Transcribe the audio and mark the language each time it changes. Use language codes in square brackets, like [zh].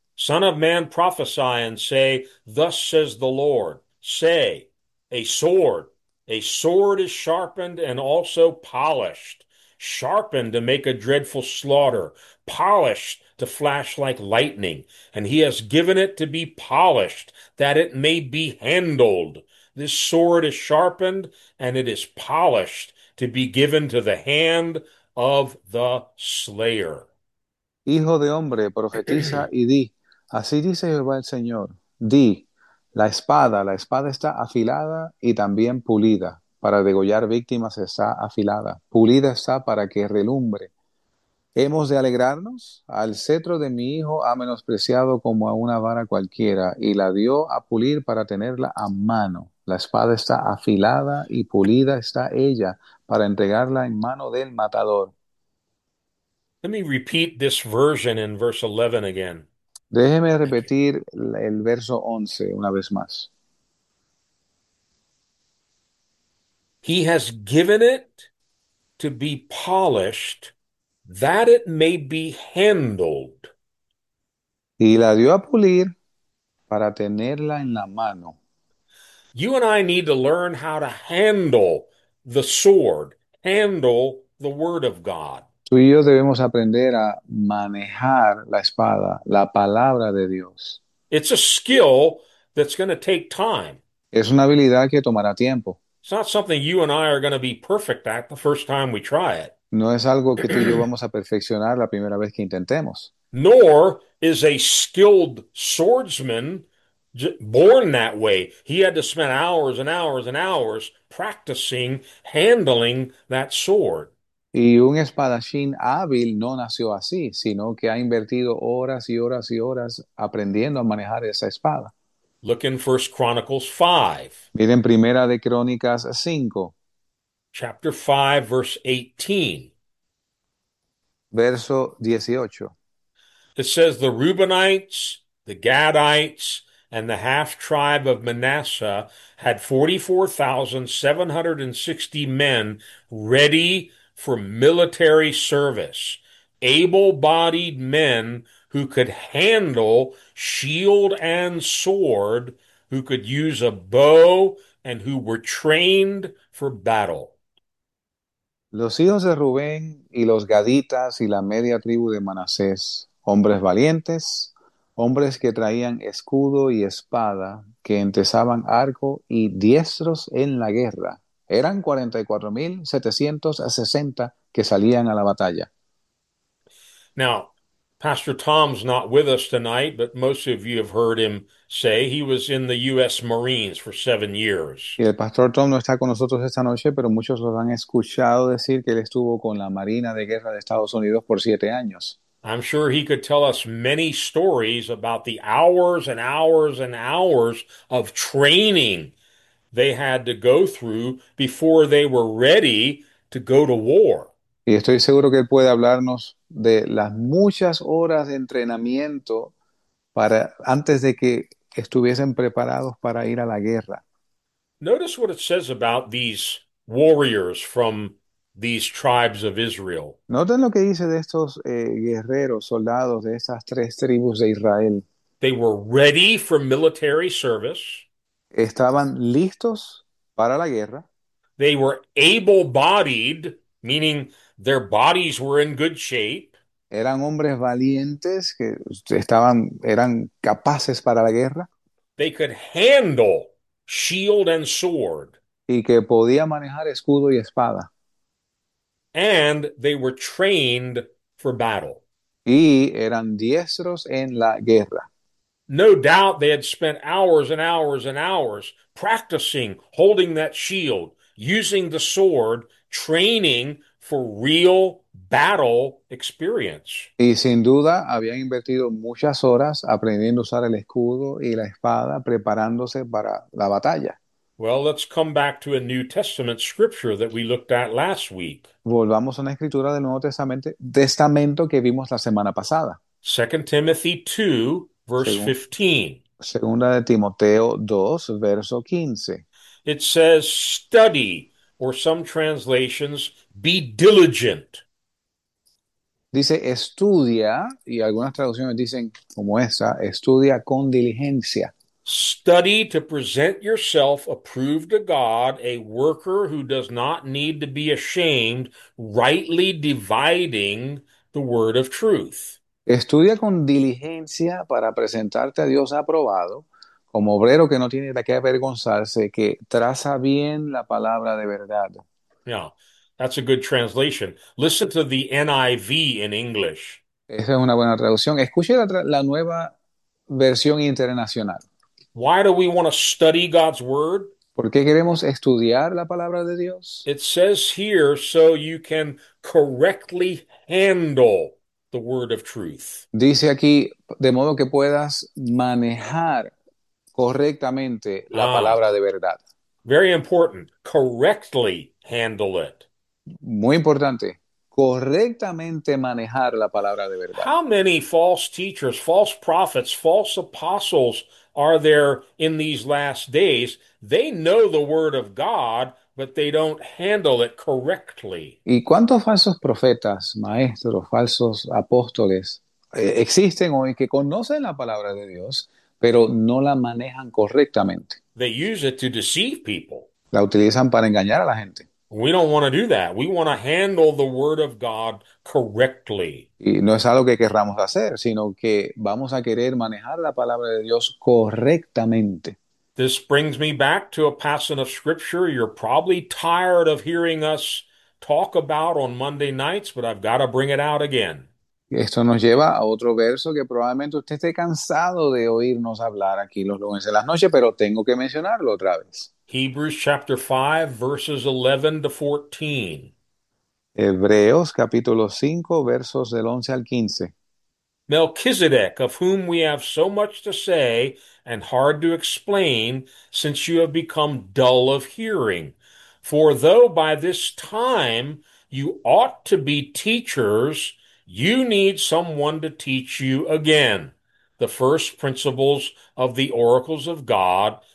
[en] Son of man, prophesy and say, thus says the Lord, say, a sword is sharpened and also polished, sharpened to make a dreadful slaughter, polished to flash like lightning, and he has given it to be polished, that it may be handled. This sword is sharpened and it is polished to be given to the hand of the slayer. [es] Hijo de hombre, profetiza y di, así dice Jehová el Señor, di, la espada está afilada y también pulida, para degollar víctimas está afilada, pulida está para que relumbre. ¿Hemos de alegrarnos? Al cetro de mi hijo ha menospreciado como a una vara cualquiera y la dio a pulir para tenerla a mano. La espada está afilada y pulida está ella para entregarla en mano del matador. [en] Let me repeat this version in verse 11 again. [es] Déjeme repetir el verso 11 una vez más. [en] He has given it to be polished that it may be handled. [es] Y la dio a pulir para tenerla en la mano. [en] You and I need to learn how to handle the sword, handle the word of God. [es] Tú y yo debemos aprender a manejar la espada, la palabra de Dios. [en] It's a skill that's going to take time. [es] Es una habilidad que tomará tiempo. [en] It's not something you and I are going to be perfect at the first time we try [es] No es algo que tú y yo [en] it. [es] vamos a perfeccionar la primera vez que intentemos. [en] Nor is a skilled swordsman born that way. He had to spend hours and hours and hours practicing handling that sword. [es] Y un espadachín hábil no nació así, sino que ha invertido horas y horas y horas aprendiendo a manejar esa espada. [en] Look in First Chronicles 5. [es] Miren Primera de Crónicas 5, [en] Chapter 5, verse 18. [es] verso 18. [en] It says the Reubenites, the Gadites, and the half tribe of Manasseh had 44,760 men ready for military service, able-bodied men who could handle shield and sword, who could use a bow, and who were trained for battle. [es] Los hijos de Rubén y los gaditas y la media tribu de Manasés, hombres valientes, hombres que traían escudo y espada, que entesaban arco y diestros en la guerra, eran 44,760 que salían a la batalla. [en] Now, Pastor Tom's not with us tonight, but most of you have heard him say he was in the U.S. Marines for 7 years. [es] Y el pastor Tom no está con nosotros esta noche, pero muchos los han escuchado decir que él estuvo con la Marina de Guerra de Estados Unidos por 7 años. [en] I'm sure he could tell us many stories about the hours and hours and hours of training they had to go through before they were ready to go to war. [es] Y estoy seguro que él puede hablarnos de las muchas horas de entrenamiento para antes de que estuviesen preparados para ir a la guerra. [en] Notice what it says about these warriors from these tribes of Israel. [es] Noten lo que dice de estos guerreros, soldados de esas tres tribus de Israel. [en] They were ready for military service. [es] Estaban listos para la guerra. [en] They were able-bodied, meaning their bodies were in good shape. [es] Eran hombres valientes que eran capaces para la guerra. [en] They could handle shield and sword. [es] Y que podía manejar escudo y espada. [en] And they were trained for battle. [es] Y eran diestros en la guerra. [en] No doubt they had spent hours and hours and hours practicing holding that shield, using the sword, training for real battle experience. [es] Y sin duda habían invertido muchas horas aprendiendo a usar el escudo y la espada, preparándose para la batalla. [en] Well, let's come back to a New Testament scripture that we looked at last week. [es] Volvamos a una escritura del Nuevo Testamento que vimos la semana pasada. [en] 2 Timothy 2, verse [es] Según [en] 15. [es] Segunda de Timoteo 2, verso 15. [en] It says, study, or some translations, be diligent. [es] Dice estudia, y algunas traducciones dicen como esa, estudia con diligencia. [en] Study to present yourself approved to God, a worker who does not need to be ashamed, rightly dividing the word of truth. [es] Estudia con diligencia para presentarte a Dios aprobado, como obrero que no tiene de qué avergonzarse, que traza bien la palabra de verdad. [en] Yeah, that's a good translation. Listen to the NIV in English. [es] Esa es una buena traducción. Escuche la nueva versión internacional. [en] Why do we want to study God's word? [es] ¿Por qué queremos estudiar la palabra de Dios? [en] It says here so you can correctly handle the word of truth. [es] Dice aquí, de modo que puedas manejar correctamente la Ah, palabra de verdad. [en] very important. Correctly handle it. [es] Muy importante, correctamente manejar la palabra de verdad. [en] How many false teachers, false prophets, false apostles are there in these last days? They know the word of God, but they don't handle it correctly. [es] ¿Y cuántos falsos profetas, maestros, falsos apóstoles existen hoy que conocen la palabra de Dios, pero no la manejan correctamente? [en] They use it to deceive people. [es] La utilizan para engañar a la gente. [en] We don't want to do that. We want to handle the word of God correctly. [es] Y no es algo que querramos hacer, sino que vamos a querer manejar la palabra de Dios correctamente. [en] This brings me back to a passage of scripture you're probably tired of hearing us talk about on Monday nights, but I've got to bring it out again. [es] Esto nos lleva a otro verso que probablemente usted esté cansado de oírnos hablar aquí los lunes en las noches, pero tengo que mencionarlo otra vez. [en] Hebrews chapter 5, verses 11 to 14. [es] Hebreos capítulo 5, versos del 11 al 15. [en] Melchizedek, of whom we have so much to say and hard to explain, since you have become dull of hearing. For though by this time you ought to be teachers, you need someone to teach you again the first principles of the oracles of God.